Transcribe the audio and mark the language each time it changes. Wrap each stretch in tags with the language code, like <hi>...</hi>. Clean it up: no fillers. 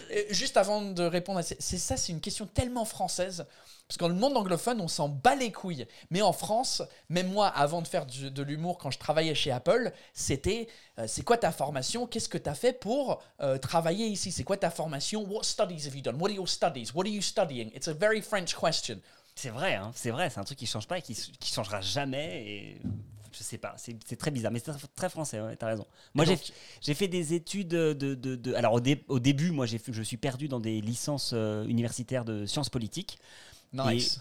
<fr>Juste avant de répondre à c'est une question tellement française. Parce que dans le monde anglophone, on s'en bat les couilles. Mais en France, même moi, avant de faire de l'humour, quand je travaillais chez Apple, c'était « C'est quoi ta formation? Qu'est-ce que tu as fait pour travailler ici? C'est quoi ta formation?</fr> <en>What studies have you done? What are your studies? What are you studying? » It's a very French question.</en> <fr>C'est vrai, hein. C'est vrai. C'est un truc qui ne change pas et qui ne changera jamais. Et je sais pas, c'est très bizarre, mais c'est très français, ouais, t'as raison. Moi, donc, j'ai fait des études de alors au début, moi, je suis perdu dans des licences universitaires de sciences politiques.</fr> <en>Nice.</en>